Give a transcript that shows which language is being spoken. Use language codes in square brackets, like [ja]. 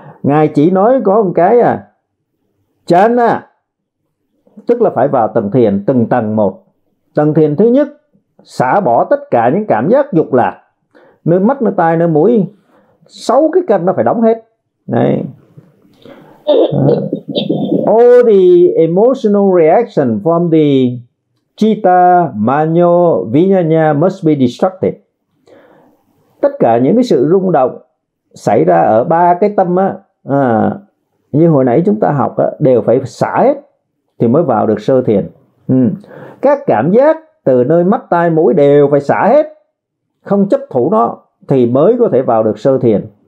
[vi] Ngài chỉ nói có một cái à. Chana, tức là phải vào tầng thiền, từng tầng một. Tầng thiền thứ nhất, xả bỏ tất cả những cảm giác dục lạc. Nơi mắt, nơi tai, nơi mũi, sáu cái căn nó phải đóng hết. Đấy. [en] All the emotional reaction from the citta, manyo, vinyana must be destructive. [vi] Tất cả những cái sự rung động xảy ra ở ba cái tâm á, như hồi nãy chúng ta học á, đều phải xả hết thì mới vào được sơ thiền. Các cảm giác từ nơi mắt, tai, mũi đều phải xả hết, không chấp thủ nó thì mới có thể vào được sơ thiền.